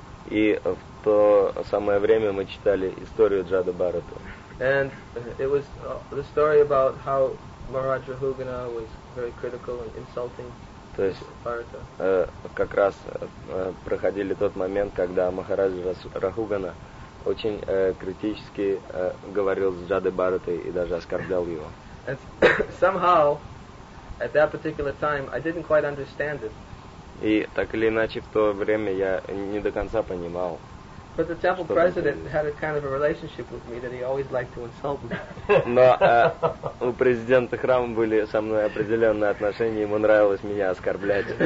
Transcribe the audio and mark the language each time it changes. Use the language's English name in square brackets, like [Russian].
[Russian] И в то самое время мы читали историю Джада Бхарата. [English] And it was the story about how Maharaj Rahugana was very critical and insulting. [Russian] То есть как раз проходили тот момент, когда Махарадж Рахугана очень критически говорил с Джадой Бхаратой и даже оскорблял его. [English] And somehow, at that particular time, I didn't quite understand it. [Russian] И так или иначе, в то время я не до конца понимал. [English] But the temple president had a kind of a relationship with me that he always liked to insult me. [Russian] Но у президента храма были со мной определенные отношения, ему нравилось меня оскорблять.